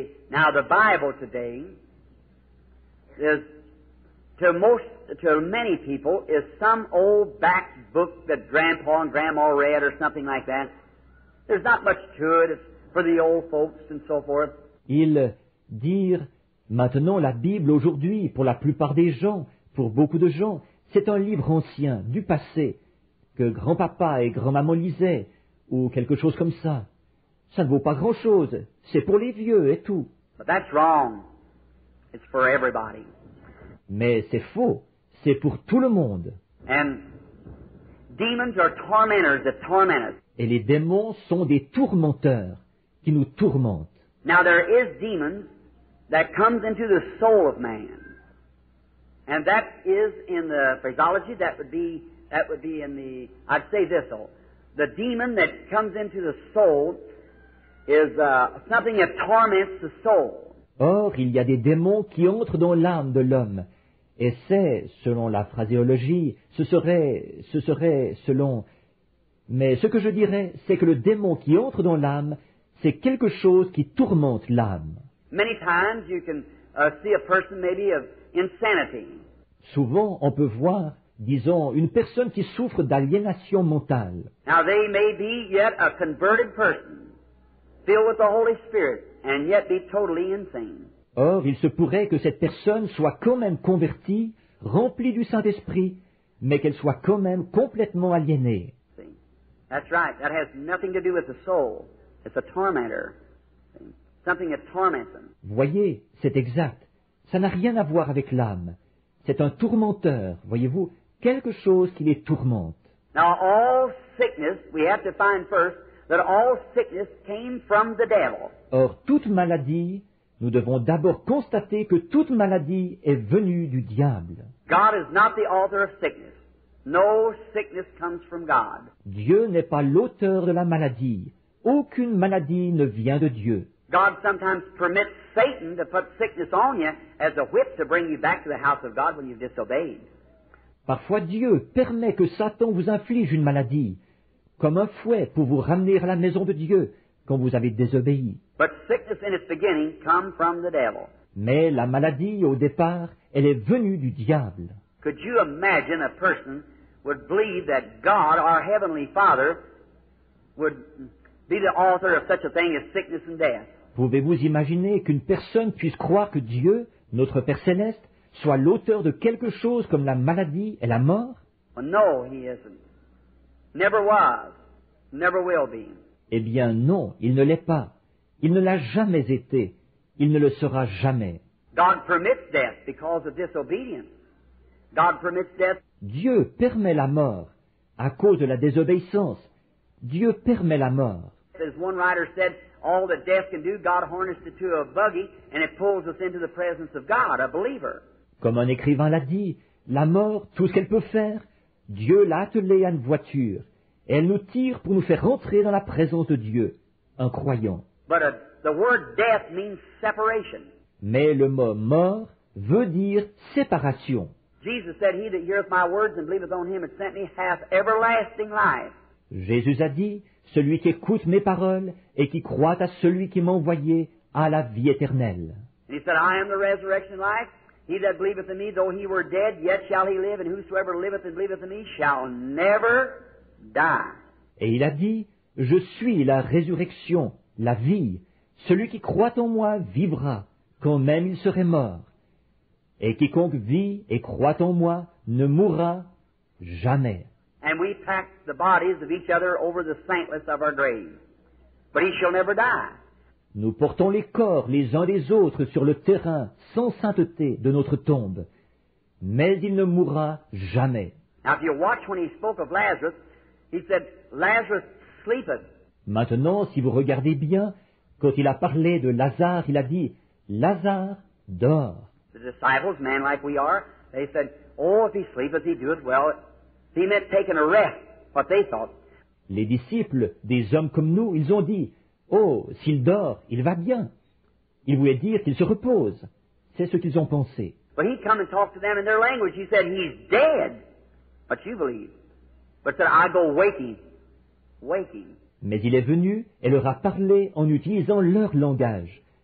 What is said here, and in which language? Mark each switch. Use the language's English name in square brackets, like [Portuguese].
[English] Now the Bible today is to most, to many people, is some old back book that grandpa and grandma read or something like that. There's not much to it. It's for the old folks and so forth. [French] Ils disent maintenant la Bible aujourd'hui pour la plupart des gens, pour beaucoup de gens, c'est un livre ancien du passé que grand-papa et grand-maman lisaient ou quelque chose comme ça. Ça ne vaut pas grand-chose. C'est pour les vieux et tout. [English] But that's wrong. It's for everybody. [French] Mais c'est faux. C'est pour tout le monde. [English] And demons are tormentors that torment us. [French] Et les démons sont des tourmenteurs qui nous tourmentent. [English] Now there is demons that comes into the soul of man, and that is in the phraseology. That would be in the. I'd say this though: the demon that comes into the soul is something that torments the soul. [French] Or, il y a des démons qui entrent dans l'âme de l'homme. Et c'est, selon la phraséologie, ce serait selon... Mais ce que je dirais, c'est que le démon qui entre dans l'âme, c'est quelque chose qui tourmente l'âme. [English] Many times you can, see a person maybe of insanity. [French] Souvent, on peut voir, disons, une personne qui souffre d'aliénation mentale. [English] Now they may be yet a converted person. Filled with the Holy Spirit, and yet be totally insane. [French] Or, il se pourrait que cette personne soit quand même convertie, remplie du Saint-Esprit, mais qu'elle soit quand même complètement aliénée. [English] That's right. That has nothing to do with the soul. It's a tormentor. Something that torments them. [French] Voyez, c'est exact. Ça n'a rien à voir avec l'âme. C'est un tourmenteur, voyez-vous, quelque chose qui les tourmente. [English] Now, all sickness, we have to find first, that all sickness came from the devil. [French] Or, toute maladie, nous devons d'abord constater que toute maladie est venue du diable. [English] God is not the author of sickness. No sickness comes from God. [French] Dieu n'est pas l'auteur de la maladie. Aucune maladie ne vient de Dieu. [English] God sometimes permits Satan to put sickness on you as a whip to bring you back to the house of God when you've disobeyed. [French] Parfois Dieu permet que Satan vous inflige une maladie, comme un fouet pour vous ramener à la maison de Dieu quand vous avez désobéi. [English] But sickness in its beginning come from the devil. [French] Mais la maladie, au départ, elle est venue du diable. [English] Could you imagine a person would believe that God, our Heavenly Father, would be the author of such a thing as sickness and death? [French] Pouvez-vous imaginer qu'une personne puisse croire que Dieu, notre Père Céleste, soit l'auteur de quelque chose comme la maladie et la mort? [English] Well, no, he isn't. Never was, never will be. [French] Eh bien non, il ne l'est pas. Il ne l'a jamais été. Il ne le sera jamais. [English] God permits death because of disobedience. God permits death. [French] Dieu permet la mort à cause de la désobéissance. Dieu permet la mort. [English] As one writer said, all that death can do, God harnessed it to a buggy and it pulls us into the presence of God, a believer. [French] Comme un écrivain l'a dit, la mort, tout ce qu'elle peut faire, Dieu l'a attelée à une voiture, et elle nous tire pour nous faire rentrer dans la présence de Dieu, un croyant. [English] But the word death means separation. [French] Mais le mot mort veut dire séparation. [English] Jesus said, he that heareth my words and believeth on him that sent me hath everlasting life. [French] Jésus a dit, celui qui écoute mes paroles et qui croit à celui qui m'a envoyé a la vie éternelle. [English] And he said, I am the resurrection life. He that believeth in me, though he were dead, yet shall he live, and whosoever liveth and believeth in me shall never die. [French] Et il a dit, je suis la résurrection, la vie. Celui qui croit en moi vivra, quand même il serait mort. Et quiconque vit et croit en moi ne mourra jamais. [English] And we pack the bodies of each other over the saintless of our grave. But he shall never die. [French] Nous portons les corps les uns des autres sur le terrain sans sainteté de notre tombe. Mais il ne mourra jamais. [English] Now, if you watch when he spoke of Lazarus, he said, Lazarus sleepeth. [French] Maintenant, si vous regardez bien, quand il a parlé de Lazare, il a dit, Lazare dort. [English] The disciples, men like we are, they said, oh, if he sleepeth, he doeth well. He meant taking a rest, what they thought. [French] Les disciples, des hommes comme nous, ils ont dit, oh, s'il dort, il va bien. Il voulait dire qu'il se repose. C'est ce qu'ils ont pensé. [English] But he come and talked to them in their language. He said, he's dead. But you believe. But said, I go waking. Waking. [French] Mais il est venu et leur a parlé en utilisant leur langage.